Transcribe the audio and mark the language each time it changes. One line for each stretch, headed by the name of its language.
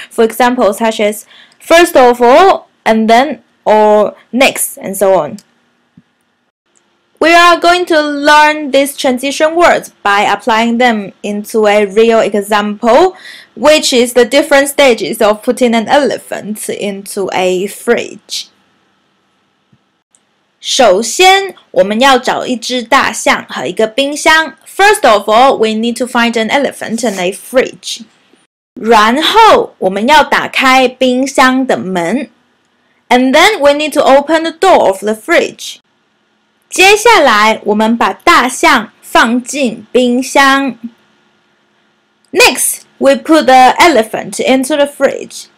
English: For example, such as first of all, and then, or next, and so on. We are going to learn these transition words by applying them into a real example, which is the different stages of putting an elephant into a fridge.
Chinese: 首先我们要找一只大象和一个冰箱。
English: First of all, we need to find an elephant and a fridge.
Chinese: 然后我们要打开冰箱的门。
English: And then we need to open the door of the fridge.
Chinese: 接下来我们把大象放进冰箱。
English: Next, we put the elephant into the fridge.